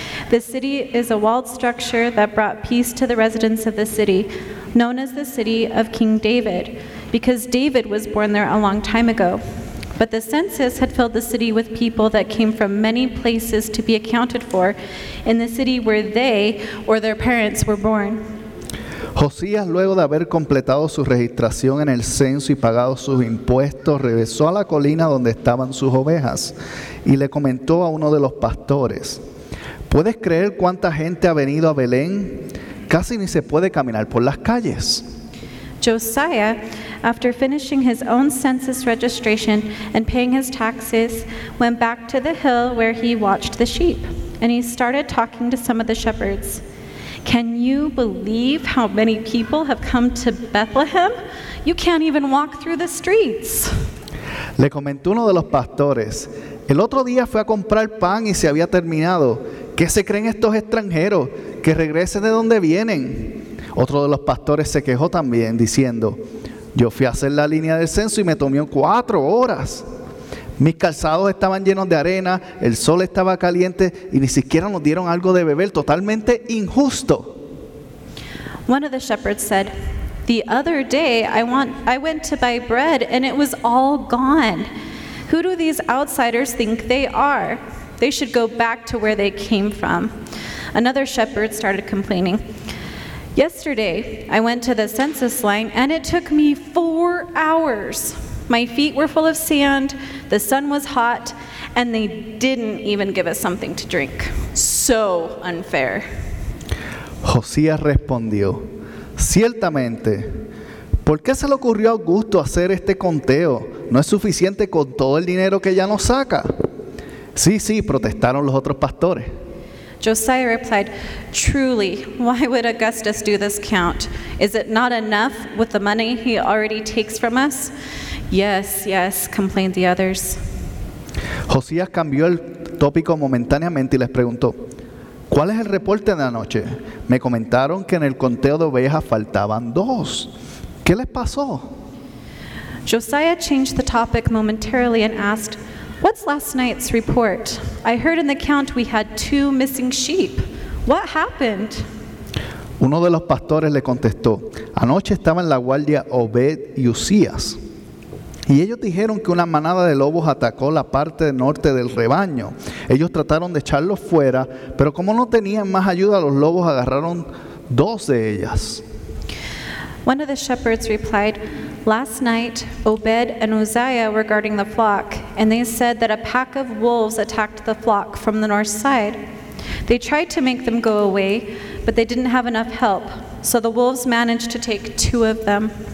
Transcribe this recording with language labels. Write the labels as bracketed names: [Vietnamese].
[English] The city is a walled structure that brought peace to the residents of the city, known as the city of King David, because David was born there a long time ago. But the census had filled the city with people that came from many places to be accounted for in the city where they or their parents were born. [Spanish] Josías, luego de haber completado su registración en el censo y pagado sus impuestos, regresó a la colina donde estaban sus ovejas y le comentó a uno de los pastores: ¿Puedes creer cuánta gente ha venido a Belén? casi ni se puede caminar por las calles. [English] Josiah, after finishing his own census registration and paying his taxes, went back to the hill where he watched the sheep, and he started talking to some of the shepherds. Can you believe how many people have come to Bethlehem? You can't even walk through the streets. [Spanish] Le comentó uno de los pastores, el otro día fue a comprar pan y se había terminado. ¿Qué se creen estos extranjeros? Que regresen de donde vienen. Otro de los pastores se quejó también, diciendo, yo fui a hacer la línea del censo y me tomó 4 horas. Mis calzados estaban llenos de arena, el sol estaba caliente y ni siquiera nos dieron algo de beber. Totalmente injusto. [English] One of the shepherds said, the other day I went to buy bread and it was all gone. Who do these outsiders think they are? They should go back to where they came from. Another shepherd started complaining. Yesterday I went to the census line and it took me 4 hours. My feet were full of sand, the sun was hot, and they didn't even give us something to drink. So unfair. [Spanish] Josías respondió, ciertamente, ¿por qué se le ocurrió a Augusto hacer este conteo? ¿No es suficiente con todo el dinero que ya nos saca? Sí, sí, protestaron los otros pastores. [English] Josiah replied, truly, why would Augustus do this count? Is it not enough with the money he already takes from us? Yes, yes, complained the others. [Spanish] Josías cambió el tópico momentáneamente y les preguntó, ¿cuál es el reporte de anoche? Me comentaron que en el conteo de ovejas faltaban 2. ¿Qué les pasó? [English] Josiah changed the topic momentarily and asked, what's last night's report? I heard in the count we had 2 missing sheep. What happened? [Spanish] Uno de los pastores le contestó, anoche estaba en la guardia Obed y Usías. Y ellos dijeron que una manada de lobos atacó la parte norte del rebaño. Ellos trataron de echarlos fuera, pero como no tenían más ayuda, los lobos agarraron 2 de ellas. [English] One of the shepherds replied, last night, Obed and Uzziah were guarding the flock, and they said that a pack of wolves attacked the flock from the north side. They tried to make them go away, but they didn't have enough help, so the wolves managed to take 2 of them.